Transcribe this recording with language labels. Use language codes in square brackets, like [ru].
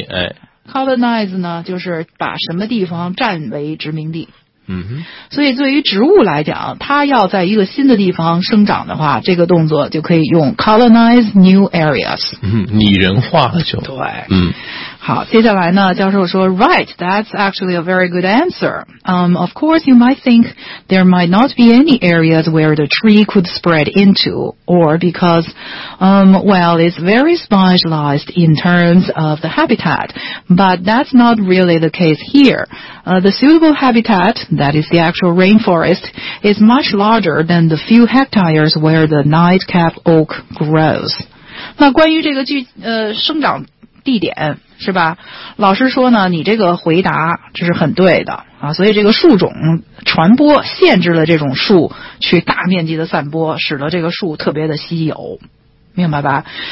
[zh] 哎、 Colonize 呢就是把什么地方占为殖民地。 Mm-hmm. 所以对于植物来讲，它要在一个新的地方生长的话，这个动作就可以用 [en] colonize new areas。 [zh] 拟人化了就。对。好，接下来呢，教授说 [en] ，Right, that's actually a very good answer. Of course, you might think there might not be any areas where the tree could spread into, or because, well, it's very specialized in terms of the habitat. But that's not really the case here. The suitable habitat, that is the actual rainforest, is much larger than the few hectares where the nightcap oak grows. [zh] 那关于这个生长地点是吧，老师说呢，你这个回答这是很对的啊，所以这个树种传播限制了这种树去大面积的散播，使得这个树特别的稀有，明白吧？